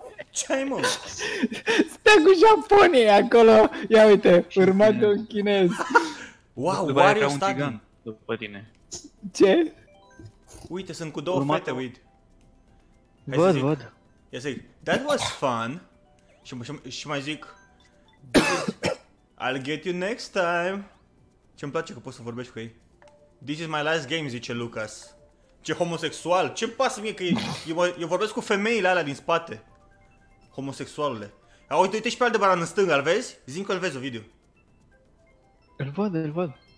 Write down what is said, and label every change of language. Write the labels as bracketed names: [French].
[Romanian] Ce-ai, mă? Stă cu Japonia acolo. Ia uite, urma de un chinez. Wow, după Wario Stag. După tine. Ce? Uite, sunt cu două fete, uite. Văd. Ia zic, [English] that was fun. [Romanian] Și mai zic, [English] I'll get you next time. [Romanian] Ce-mi place că poți să vorbești cu ei. [English] This is my last game, [Romanian] zice Lucas. Ce homosexual, ce-mi pasă mie că eu vorbesc cu femeile alea din spate. Homosexualele. Uite și pe Aldebaran în stânga, îl vezi? Zic că îl vezi, Ovidiu. Îl văd, îl văd.